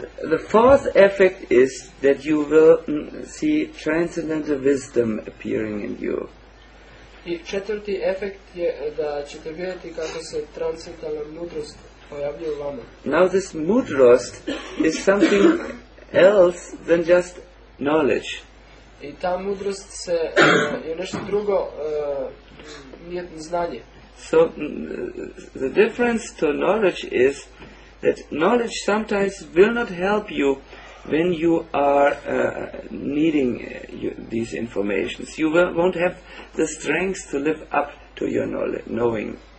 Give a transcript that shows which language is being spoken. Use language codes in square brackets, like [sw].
[en] the fourth effect is that you will see transcendental wisdom appearing in you. [hr] I četvrti efekt je da ćete vidjeti kako se transcendentalna mudrost pojavljuje u vama. [en] Now this mudrost is something else than just knowledge. [hr] I ta mudrost se je nešto drugo, nije znanje. [en] So, the difference to knowledge is that knowledge sometimes will not help you when you are needing these informations. You won't have the strength to live up to your knowing.